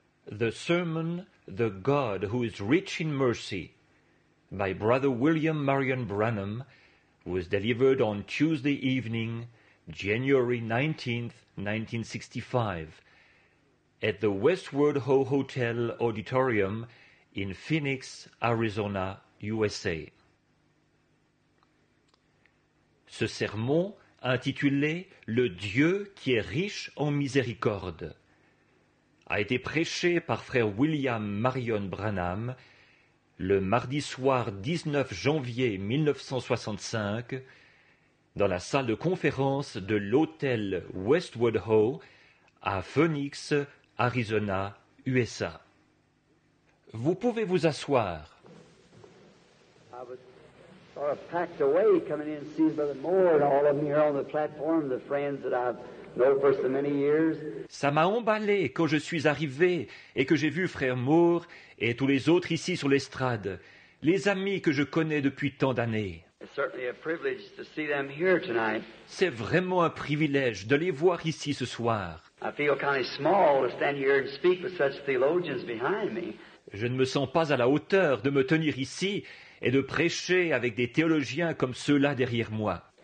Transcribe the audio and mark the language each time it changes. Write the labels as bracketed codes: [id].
[en] The Sermon, The God Who is Rich in Mercy, by Brother William Marion Branham, was delivered on Tuesday evening, January 19, 1965, at the Westward Ho Hotel Auditorium in Phoenix, Arizona, USA. [fr] Ce sermon, intitulé « Le Dieu qui est riche en miséricorde », a été prêché par frère William Marion Branham le mardi soir 19 janvier 1965 dans la salle de conférence de l'hôtel Westward Ho à Phoenix, Arizona, USA. Vous pouvez vous asseoir. [en] Sort of packed away coming in and seeing Brother Moore and all of them here on the platform, the friends that I've known for so many years. [fr] Ça m'a emballé quand je suis arrivé et que j'ai vu frère Moore et tous les autres ici sur l'estrade, les amis que je connais depuis tant d'années. [en] It's certainly a privilege to see them here tonight. [fr] C'est vraiment un privilège de les voir ici ce soir. [en] I feel kind of small to stand here and speak with such theologians behind me. [fr] Je ne me sens pas à la hauteur de me tenir ici et de prêcher avec des théologiens comme ceux-là derrière moi.